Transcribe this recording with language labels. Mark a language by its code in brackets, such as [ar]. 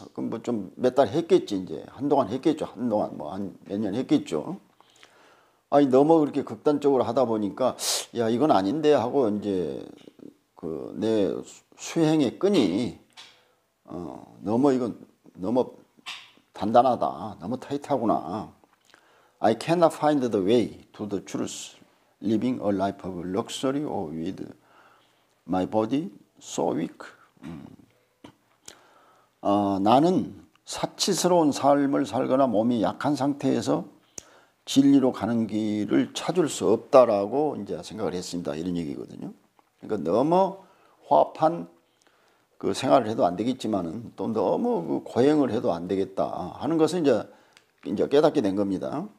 [ko] 그럼 뭐 좀 몇 달 했겠지 이제 한동안 했겠죠. 한동안 뭐 한 몇 년 했겠죠. 아니 너무 그렇게 극단적으로 하다 보니까 야 이건 아닌데 하고 이제 그 내 수행의 끈이 너무 이건 너무 단단하다. 너무 타이트하구나. [en] I cannot find the way to the truth, living a life of luxury or with My body so weak. [ko] 나는 사치스러운 삶을 살거나 몸이 약한 상태에서 진리로 가는 길을 찾을 수 없다라고 이제 생각을 했습니다. 이런 얘기거든요. 그러니까 너무 화합한 그 생활을 해도 안 되겠지만은 또 너무 그 고행을 해도 안 되겠다 하는 것을 이제 깨닫게 된 겁니다.